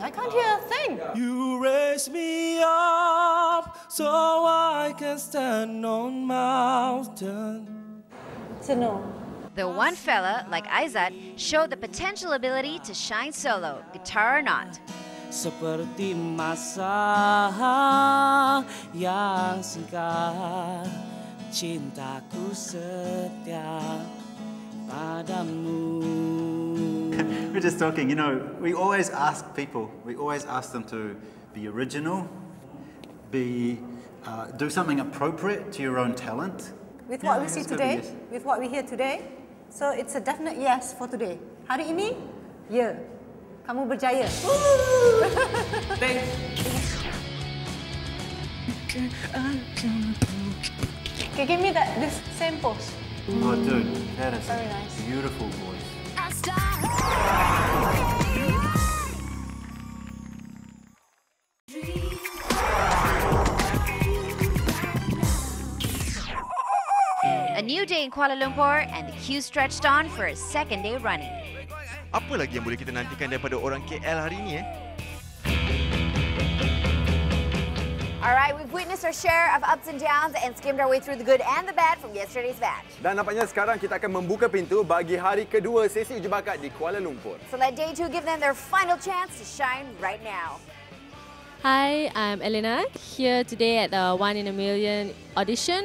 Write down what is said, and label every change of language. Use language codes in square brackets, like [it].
[en] I can't hear a thing. You raise me up so I can stand on mountain. To know. The one fella, like Aizat, showed the potential ability to shine solo, guitar or not. [ms] Seperti masa yang singkat, cintaku setia padamu. [en] We're just talking, you know, we always ask people, we always ask them to be original, do something appropriate to your own talent. With what we see today, yes. With what we hear today, so it's a definite yes for today. [ms] Hari ini, ya. Kamu berjaya. [en] Thanks. Okay, give me that, this same pose. Oh, dude, that is very nice. Beautiful voice. A new day in Kuala Lumpur and the queue stretched on for a second day running. [ms] Apa lagi yang boleh kita nantikan daripada orang KL hari ini? [en] All right, we've witnessed our share of ups and downs and skimmed our way through the good and the bad from yesterday's batch. [ms] Dan nampaknya sekarang kita akan membuka pintu bagi hari kedua sesi uji bakat di Kuala Lumpur. [en] So let day two give them their final chance to shine right now. Hi, I'm Elena, here today at the One in a Million audition.